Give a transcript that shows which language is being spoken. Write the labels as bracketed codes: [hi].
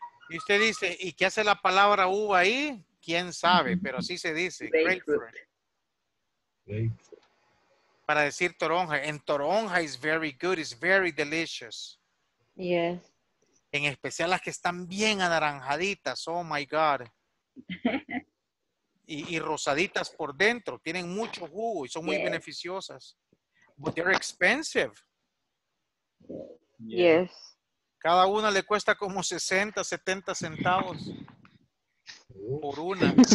[es] Y usted dice, ¿y qué hace la palabra uva ahí? ¿Quién sabe? Pero así se dice. Grapefruit. Para decir toronja, [en] and toronja is very good, it's very delicious. Yes. [es] En especial las que están bien anaranjaditas, [en] oh my God. [es] y rosaditas por dentro, tienen mucho jugo y son muy beneficiosas. [en] But they're expensive. Yes. [es] Cada una le cuesta como 60, 70 centavos por una.